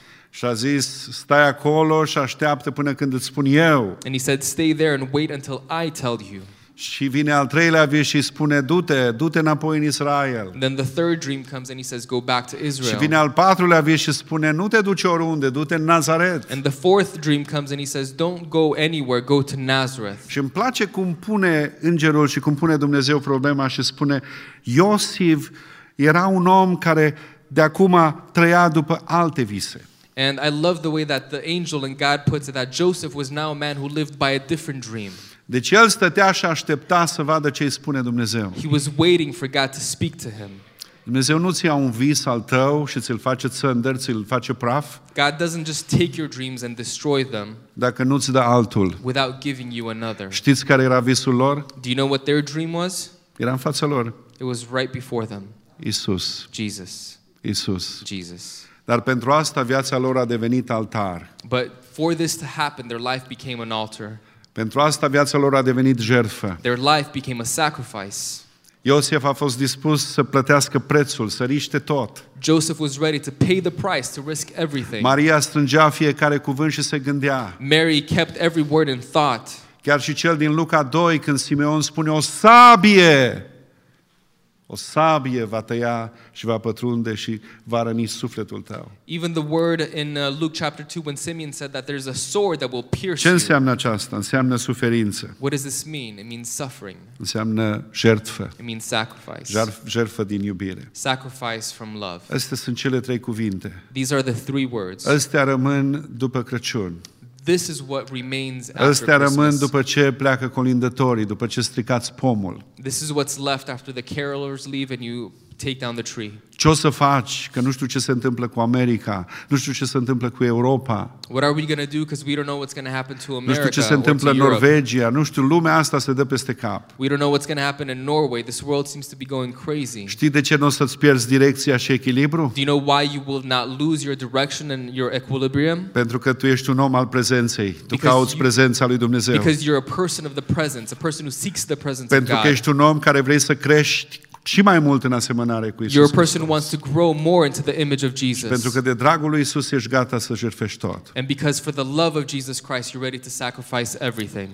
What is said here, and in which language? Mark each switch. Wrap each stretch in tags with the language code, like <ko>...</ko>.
<ro>Și a zis, stai acolo și așteaptă până când îți spun eu.</ro> <en>And he said, stay there and wait until I tell you.</en> <ro>Și vine al treilea vis și spune, du-te înapoi în Israel.</ro> <en>Then the third dream comes and he says, go back to Israel.</en> <ro>Și vine al patrulea vis și spune, nu te duci oriunde, du-te în Nazaret.</ro> <en>And the fourth dream comes and he says, don't go anywhere, go to Nazareth.</en> <ro>Și îmi place cum pune îngerul și cum pune Dumnezeu problema și spune, Iosif era un om care de acum trăia după alte vise.</ro> <en>And I love the way that the angel and God puts it, that Joseph was now a man who lived by a different dream.</en> <ro>Deci el stătea și aștepta să vadă ce îi spune Dumnezeu.</ro> <en>He was waiting for God to speak to him.</en> <ro>Dumnezeu nu-ți ia un vis al tău și ți-l face țăndăr, ți-l face praf.</ro> <en>God doesn't just take your dreams and destroy them.</en> <ro>Dacă nu-ți dă altul.</ro> <en>Without giving you another.</en> <ro>Știți care era visul lor?</ro> <en>Do you know what their dream was?</en> <ro>Era în fața lor.</ro> <en>It was right before them.</en> <ro>Iisus.</ro> <en>Jesus.</en> <ro>Iisus.</ro> <en>Jesus.</en> <ro>Dar pentru asta viața lor a devenit altar.</ro> <en>But for this to happen, their life became an altar.</en> <ro>Pentru asta viața lor a devenit jertfă.</ro> <en>Their life became a sacrifice.</en> <ro>Iosif a fost dispus să plătească prețul, să riște tot.</ro> <en>Joseph was ready to pay the price, to risk everything.</en> <ro>Maria strângea fiecare cuvânt și se gândea.</ro> <en>Mary kept every word in thought.</en> <ro>Chiar și cel din Luca 2, când Simeon spune, o sabie va tăia și va pătrunde și va răni sufletul tău.</ro> <en>Even the word in Luke chapter 2 when Simeon said that there's a sword that will pierce you.</en> <ro>Ce înseamnă aceasta? Înseamnă suferință.</ro> <en>What does this mean? It means suffering.</en> <ro>Înseamnă jertfă.</ro> <en>It means sacrifice.</en> <ro>Jertfă din iubire.</ro> <en>Sacrifice from love.</en> <ro>Astea sunt cele trei cuvinte.</ro> <en>These are the three words.</en> <ro>Astea rămân după Crăciun.</ro> <en>This is what remains after Christmas.</en> <ro>Astea rămân după ce pleacă colindătorii, după ce stricați pomul.</ro> <en>This is what's left after the carolers leave and you take down the tree.</en> <ro>Ce o să faci? Că nu știu ce se întâmplă cu America. Nu știu ce se întâmplă cu Europa.</ro> <en>What are we going to do? Because we don't know what's going to happen to America.</en> <ro>Nu știu ce se întâmplă în Norvegia. Nu știu, lumea asta se dă peste cap.</ro> <en>We don't know what's going to happen in Norway. This world seems to be going crazy.</en> <ro>Știi de ce nu o să-ți pierzi direcția și echilibru?</ro> <en>Do you know why you will not lose your direction and your equilibrium?</en> <ro>Pentru că tu ești un om al prezenței. Tu cauți prezența lui Dumnezeu.</ro> <en>Because you're a person of the presence, a person who seeks the presence of God.</en> <ro>Pentru că ești un om care vrei să crești și mai mult în asemănare cu Iisus.</ro> <en>You're a person who wants to grow more into the image of Jesus.</en> <ro>Și pentru că de dragul lui Iisus ești gata să jertfești tot.</ro> <en>And because for the love of Jesus Christ you're ready to sacrifice everything.</en>